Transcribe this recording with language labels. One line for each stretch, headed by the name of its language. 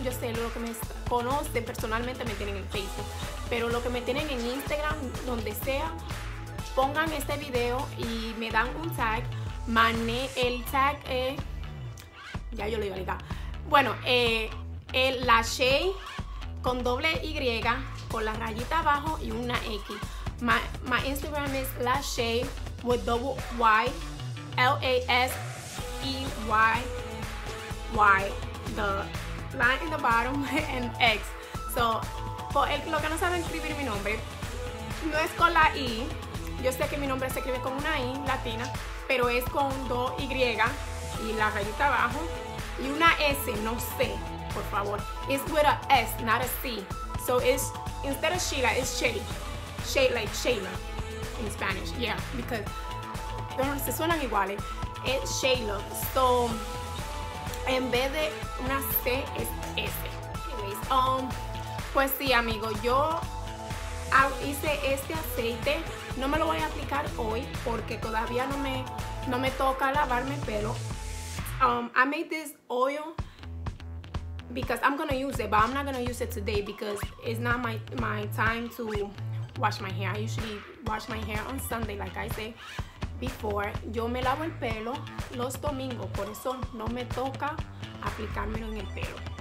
Spanish: Yo sé, lo que me conocen personalmente me tienen en Facebook, pero lo que me tienen en Instagram, donde sea, pongan este video y me dan un tag. Mané, el tag es, ya yo lo iba a ligar, bueno, el lache con doble Y, con la rayita abajo y una X.
English: My Instagram is Lashay with double Y, L-A-S-E-Y-Y, the line in the bottom and X.
Spanish: So, for el, lo que no saben escribir mi nombre, no es con la I. Yo sé que mi nombre se escribe con una I latina, pero es con dos Y y la rayita abajo y una S, no C, por favor.
English: It's with a S, not a C. So it's, instead of Sheila, it's Shay. Shay, like Shayla in Spanish. Yeah, because
Spanish: se suenan iguales.
English: It's Shayla.
Spanish: So, en vez de una C, es S. Anyways, pues sí, amigo, yo hice este aceite. No me lo voy a aplicar hoy porque todavía no me toca lavarme el pelo.
English: I made this oil because I'm gonna use it, but I'm not gonna use it today because it's not my time to wash my hair. I usually wash my hair on Sunday, like I say before.
Spanish: Yo me lavo el pelo los domingos, por eso no me toca aplicármelo en el pelo.